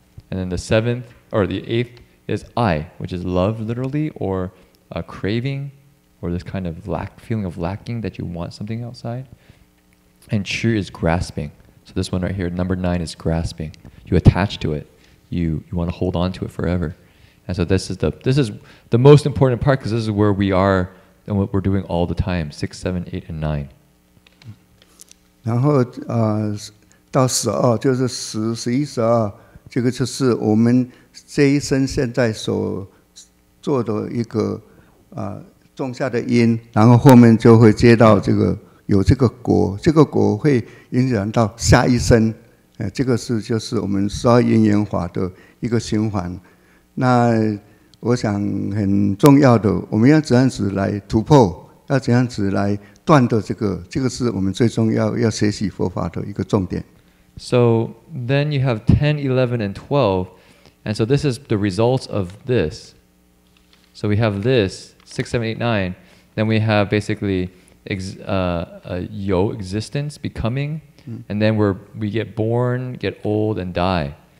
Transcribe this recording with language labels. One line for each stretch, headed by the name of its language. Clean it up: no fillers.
English: And then the seventh, or the eighth, is I, which is love, literally, or a craving, or this kind of feeling of lacking that you want something outside. And chu is grasping. So this one right here, number nine, is grasping. You attach to it. You want to hold on to it forever. And so this is the most important part, because this is where we are and what we're doing all the time, 6, 7, 8, and 9.
Chinese: 然后到12，就是10、11、12，这个就是我们这一生现在所做的一个种下的因，然后后面就会接到这个有这个果，这个果会影响到下一生，这个是就是我们十二因缘法的一个循环。那我想很重要的，我们要怎样子来突破，要怎样子来断的这个是我们最重要学习佛法的一个重点。
English: So then you have 10, 11, and 12, and so this is the results of this. So we have this, 6, 7, 8, 9, then we have basically existence, becoming, and then we get born, get old, and die.